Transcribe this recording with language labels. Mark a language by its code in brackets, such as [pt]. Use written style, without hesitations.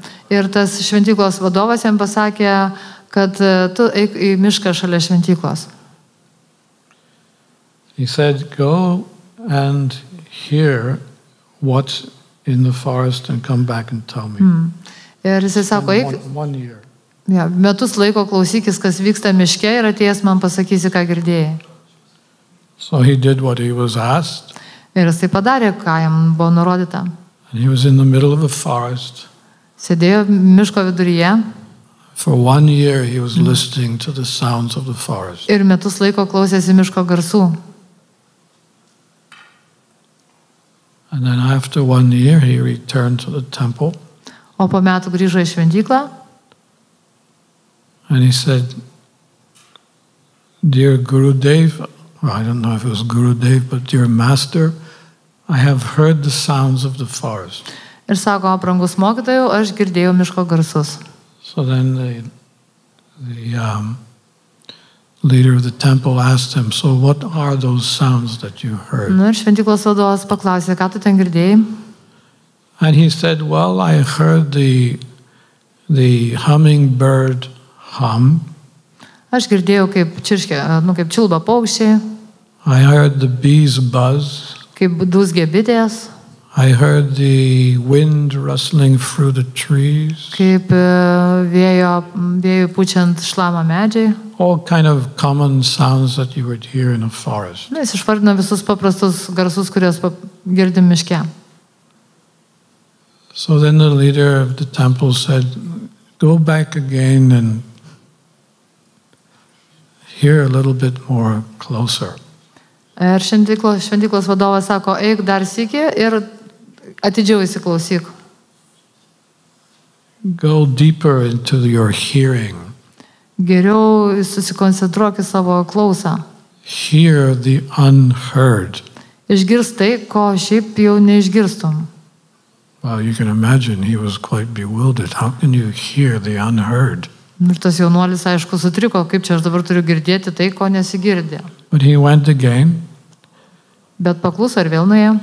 [lt] Ir tas šventyklos vadovas jam pasakė, kad tu eik į mišką šalia šventyklos. [en] He said, go and hear what's in the forest and come back and tell me. [lt] Ir jisai sako, eik, metus laiko klausykis, kas vyksta miške, ir atėjęs man pasakysi, ką girdėjai. [en] So he did what he was asked. [lt] Ir jisai padarė, ką jam buvo nurodyta. [en] And he was in the middle of the forest. [lt] Sėdėjo miško viduryje. [en] For one year he was listening to the sounds of the forest. [lt] Ir metus laiko klausėsi miško garsų. [en] And then after one year he returned to the temple. [lt] O po metų grįžo į šventyklą. [en] And he said, dear Gurudev, I don't know if it was Gurudev, but dear master, I have heard the sounds of the forest. [lt] Ir sako, brangus mokytojau, aš girdėjau miško garsus. [en] So then the leader of the temple asked him, so what are those sounds that you heard? [lt] Nu, ir šventyklos vadovas paklausė, ką tu ten girdėjai? [en] And he said, well, I heard the hummingbird hum. [lt] Aš girdėjau, kaip čirškė, kaip čilba paukščiai. [en] I heard the bees buzz. [lt] Kaip dūzgė bitės. [en] I heard the wind rustling through the trees. [lt] Kaip vėjo pučiant šlama medžiai. [en] All kind of common sounds that you would hear in a forest. [lt] Jis išvardino visus paprastus garsus, kuriuos girdim miške. [en] So then the leader of the temple said, go back again and hear a little bit more closer. [lt] Ir šventyklos vadovas sako, eik dar sykį ir atidžiau įsiklausyk. [en] Go deeper into your hearing. [lt] Geriau susikoncentruok į savo klausą. [en] Hear the unheard. [lt] Išgirst tai, ko šiaip jau neišgirstum. [en] Well, you can imagine he was quite bewildered. How can you hear the unheard? [lt] Ir tas jaunuolis, aišku, sutriko, kaip čia aš dabar turiu girdėti tai, ko nesigirdė. [en] But he went again. [lt] Bet pakluso ir vėl nuėjo.